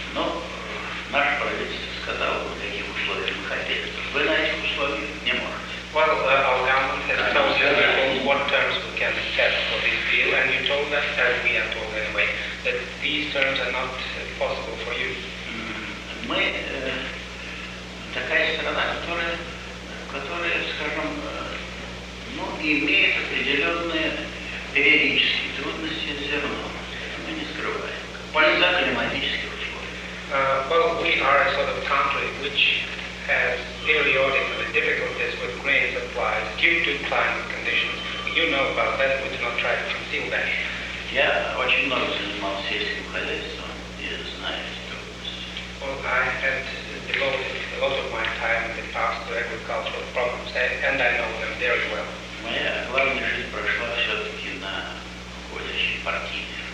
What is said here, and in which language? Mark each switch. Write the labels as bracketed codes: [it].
[ru] Но наш правительство сказал, в каких условиях мы хотели. Вы на этих условиях не можете. [en] Well, our government has told us what terms we can set for this deal, and you told us, as we are told anyway, that these terms are not possible for you. [ru] Мы такая страна, которая, скажем, ну, имеет определенные периодические трудности с зерном. Мы не скрываем. Из-за климатических условий. [en] Well, we are a sort of country which has periodically difficulties with grain supplies due to climate conditions. You know about that, we do not try to conceal that. [ru] Я очень много занимался сельским хозяйством. Я знаю эти трудности. [en] Well, I had devoted a lot of my time in the past to agricultural problems, and I know them very well. [ru] Моя главная жизнь прошла все-таки на уходящей партии.